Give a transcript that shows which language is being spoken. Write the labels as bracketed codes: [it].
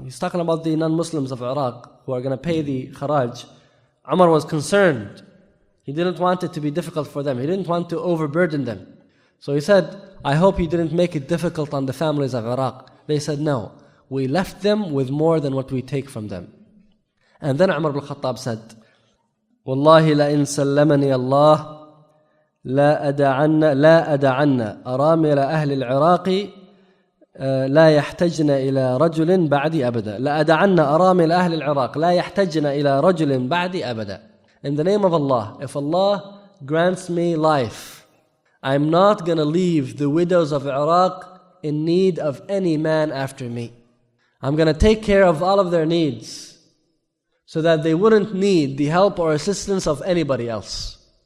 [en] He's talking about the non-Muslims of Iraq who are going to pay the kharaj. Umar was concerned. He didn't want it to be difficult for them. He didn't want to overburden them. So he said, I hope you didn't make it difficult on the families of Iraq. They said, no, we left them with more than what we take from them. And then Umar ibn al-Khattab said, [ar] وَاللَّهِ لَإِن سَلَّمَنِي اللَّهِ لا أدعن لا أدعن أرامل أهل العراق لا يحتجن إلى رجل بعدي أبدا لا أدعن أرامل أهل العراق لا يحتجن إلى رجل بعدي أبدا. [en] In the name of Allah, if Allah grants me life, I'm not gonna leave the widows of Iraq in need of any man after me. I'm gonna take care of all of their needs so that they wouldn't need the help or assistance of anybody else.